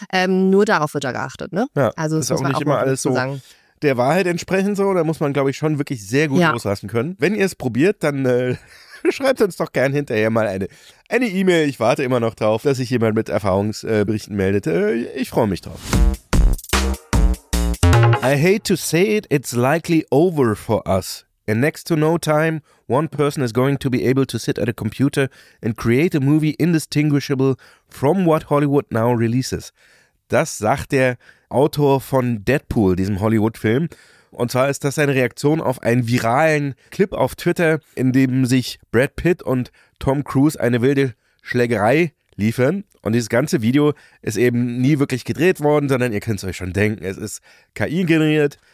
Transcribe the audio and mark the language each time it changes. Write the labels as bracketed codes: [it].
[de] Nur darauf wird da geachtet. Ne? Ja, also das ist auch nicht immer alles so sagen. Der Wahrheit entsprechend so. Da muss man, glaube ich, schon wirklich sehr gut loslassen können. Wenn ihr es probiert, dann schreibt uns doch gern hinterher mal eine E-Mail. Ich warte immer noch drauf, dass sich jemand mit Erfahrungsberichten meldet. Ich freue mich drauf. [en] I hate to say it, it's likely over for us. In next to no time, one person is going to be able to sit at a computer and create a movie indistinguishable from what Hollywood now releases. [de] Das sagt der Autor von Deadpool, diesem Hollywood-Film. Und zwar ist das seine Reaktion auf einen viralen Clip auf Twitter, in dem sich Brad Pitt und Tom Cruise eine wilde Schlägerei liefern. Und dieses ganze Video ist eben nie wirklich gedreht worden, sondern ihr könnt es euch schon denken, es ist KI-generiert.